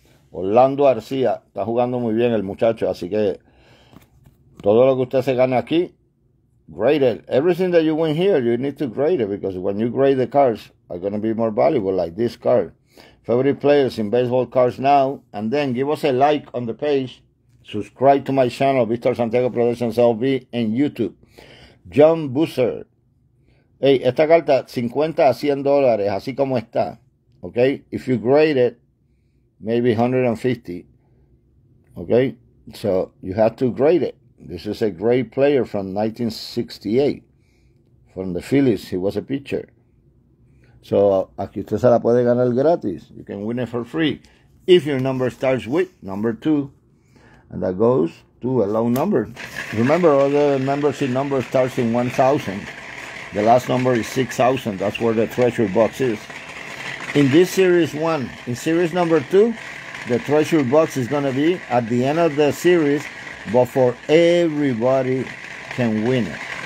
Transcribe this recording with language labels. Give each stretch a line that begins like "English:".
Spanish: Orlando García está jugando muy bien el muchacho, así que todo lo que usted se gane aquí,
English: grade it. Everything that you win here, you need to grade it, because when you grade the cards, are going to be more valuable, like this card. Favorite players in baseball cards now, and then give us a like on the page. Subscribe to my channel, Victor Santiago Productions LB, and YouTube. John Boozer.
Spanish: Hey, esta carta, $50 a $100, así como está.
English: Okay, if you grade it, maybe 150. Okay, so you have to grade it. This is a great player from 1968, from the Phillies. He was a pitcher.
Spanish: So, aquí usted se la puede ganar gratis.
English: You can win it for free. If your number starts with number 2, and that goes to a low number. Remember, all the membership numbers starts in 1,000. The last number is 6,000. That's where the treasure box is. In this series 1, in series number 2, the treasure box is going to be at the end of the series, before everybody can win it.